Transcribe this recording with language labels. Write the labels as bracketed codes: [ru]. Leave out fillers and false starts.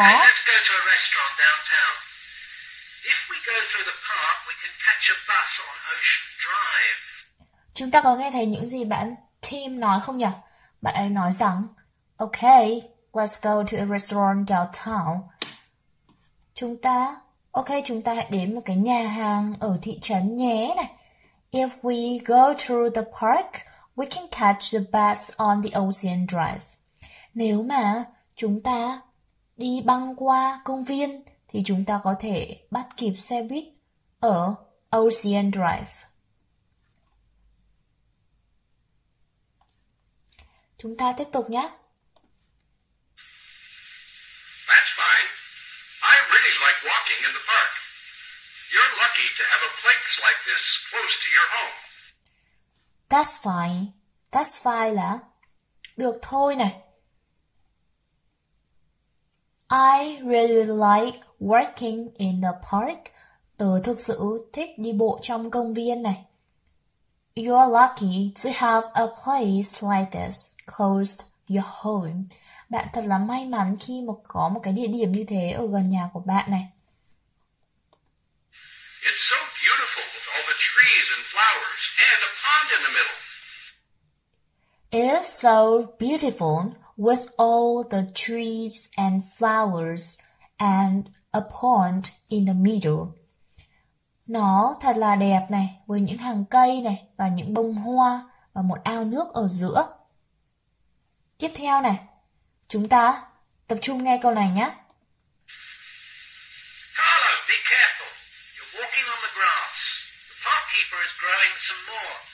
[en] Okay, let's go to a restaurant downtown. If we go through the park, we can catch a bus on Ocean Drive. [vi] Chúng ta có nghe thấy những gì bạn Tim nói không nhỉ? Bạn ấy nói rằng [en] okay, let's go to a restaurant downtown. [vi] Chúng ta hãy đến một cái nhà hàng ở thị trấn nhé này. [en] If we go through the park, we can catch the bus on the Ocean Drive. [vi] Nếu mà chúng ta đi băng qua công viên, thì chúng ta có thể bắt kịp xe buýt ở Ocean Drive. Chúng ta tiếp tục nhé. [en] That's fine. I really like walking in the park. You're lucky to have a place like this close to your home. That's fine. That's fine [vi] là được thôi này. [en] I really like walking in the park. [vi] Tớ thực sự thích đi bộ trong công viên này. [en] You're lucky to have a place like this close to your home. [vi] Bạn thật là may mắn khi mà có một cái địa điểm như thế ở gần nhà của bạn này. [en] It's so beautiful with all the trees and flowers and a pond in the middle. It's so beautiful with all the trees and flowers and a pond in the middle. [vi] Nó thật là đẹp này, với những hàng cây này và những bông hoa và một ao nước ở giữa. Tiếp theo này. Chúng ta tập trung nghe câu này nhé. [en] Carlo, be careful. You're walking on the grass. The park keeper is growing some more.